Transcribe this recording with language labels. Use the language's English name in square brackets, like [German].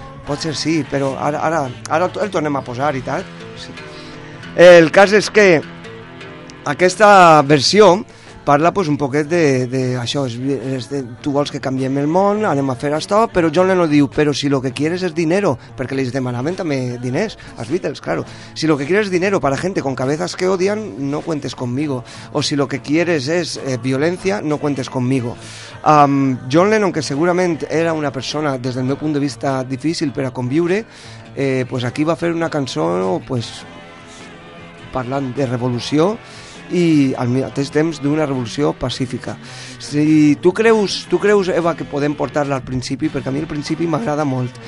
[Catalan] Pot ser sí, però ara el tornem a posar i tal. Sí. El cas és que aquesta versió parla pues, un poquet d'això. Tu vols que canviem el món, anem a fer això, però John Lennon diu, però [Spanish] si lo que quieres es dinero, [Catalan] perquè les demanaven també diners, als Beatles, claro. [Spanish] Si lo que quieres es dinero para gente con cabezas que odian, no cuentes conmigo. O si lo que quieres es violencia, no cuentes conmigo. [Catalan] John Lennon, que segurament era una persona, des del meu punt de vista, difícil per a conviure, pues aquí va fer una cançó pues, parlant de revolució i al mateix temps d'una revolució pacífica. Si tu creus, Eva, que podem portar-la al principi, perquè a mi el principi m'agrada molt.